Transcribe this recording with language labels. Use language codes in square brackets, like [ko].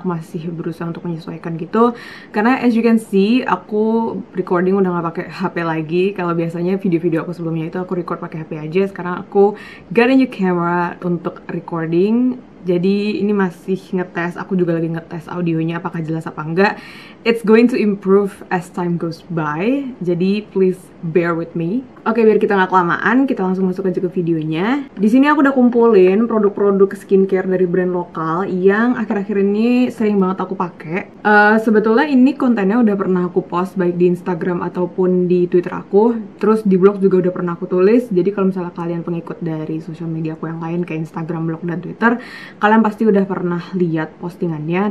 [id] Aku masih berusaha untuk menyesuaikan gitu. Karena [en] as you can see, [id] aku recording udah nggak pakai HP lagi. Kalau biasanya video-video aku sebelumnya itu aku record pakai HP aja. Sekarang aku [en] got a new camera [id] untuk recording. Jadi ini masih ngetes, aku juga lagi ngetes audionya apakah jelas apa enggak. [en] It's going to improve as time goes by. [id] Jadi [en] please bear with me. [id] Oke, biar kita nggak kelamaan, kita langsung masuk aja ke videonya. Di sini aku udah kumpulin produk-produk skincare dari brand lokal yang akhir-akhir ini sering banget aku pakai. Sebetulnya ini kontennya udah pernah aku post baik di Instagram ataupun di Twitter aku. Terus di blog juga udah pernah aku tulis. Jadi kalau misalnya kalian pengikut dari social media aku yang lain kayak Instagram, blog, dan Twitter, kalian pasti udah pernah lihat postingannya.